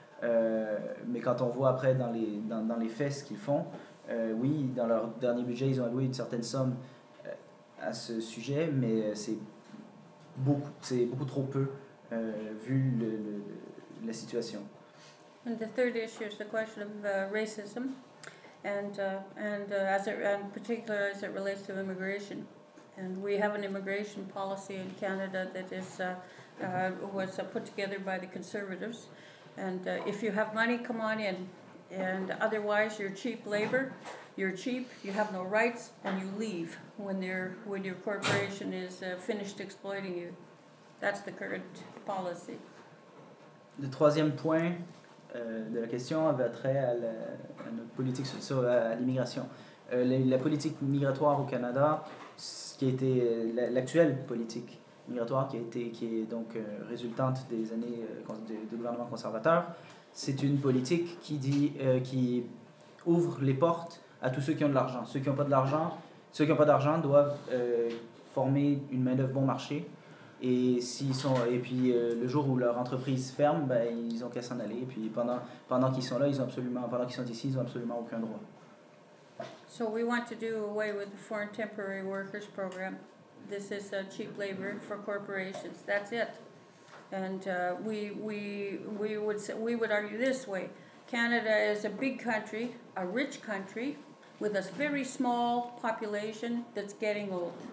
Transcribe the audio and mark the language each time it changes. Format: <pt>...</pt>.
<fr>Mais quand on voit après dans les faits ce qu'ils font, oui, dans leur dernier budget, ils ont alloué une certaine somme à ce sujet, mais c'est beaucoup trop peu vu la situation.</fr> <en>And the third issue is the question of racism, and particularly as it relates to immigration. And we have an immigration policy in Canada that was put together by the Conservatives. And if you have money, come on in. And otherwise, you're cheap labor. You're cheap. You have no rights, and you leave when your corporation is finished exploiting you. That's the current policy.</en> <fr>Le troisième point de la question avait trait à notre politique sur l'immigration. La politique migratoire au Canada, ce qui était l'actuelle politique migratoire qui est donc résultante des années de gouvernement conservateur. C'est une politique qui ouvre les portes à tous ceux qui ont de l'argent. Ceux qui n'ont pas d'argent doivent former une main-d'œuvre bon marché. Et s'ils sont, et puis le jour où leur entreprise ferme, ben, ils n'ont qu'à s'en aller. Et puis pendant qu'ils sont là, pendant qu'ils sont ici, ils n'ont absolument aucun droit.</fr> <en>So we want to do away with the foreign temporary workers program. This is a cheap labor for corporations. That's it. And we would argue this way. Canada is a big country, a rich country, with a very small population that's getting old.</en>